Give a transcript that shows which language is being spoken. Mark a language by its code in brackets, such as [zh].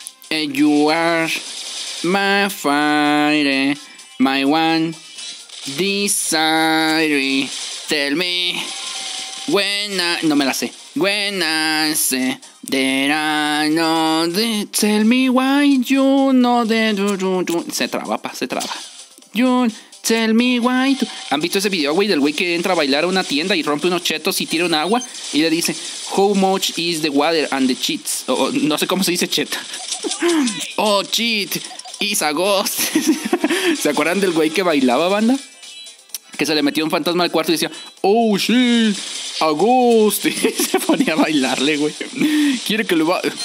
[en] You are my fire, my one desire. Tell me when I... [es] No me la sé. [en] When I say that I know that, tell me why you know that. [es] Se traba, pa, se traba. [en] You tell me why. [es] ¿Han visto ese video, güey, del güey que entra a bailar a una tienda y rompe unos chetos y tira un agua? Y le dice, [en] how much is the water and the cheats? [es] Oh, no sé cómo se dice cheta. [en] Oh, cheat is a ghost. [es] ¿Se acuerdan del güey que bailaba, banda? Que se le metió un fantasma al cuarto y decía, [en] oh, shit, a ghost. [es] Y se ponía a bailarle, güey. Quiere que le va...